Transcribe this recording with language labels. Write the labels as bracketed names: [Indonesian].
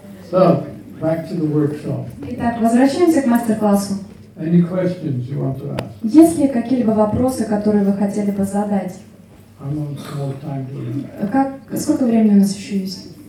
[English] So, back to the workshop. [Russian] Итак, возвращаемся к мастер-классу. [English] Any questions you want to ask? [Russian] Есть ли какие-либо вопросы, которые вы хотели бы задать? [English] How long is more time do we have? [Russian] Как, сколько времени у нас еще есть?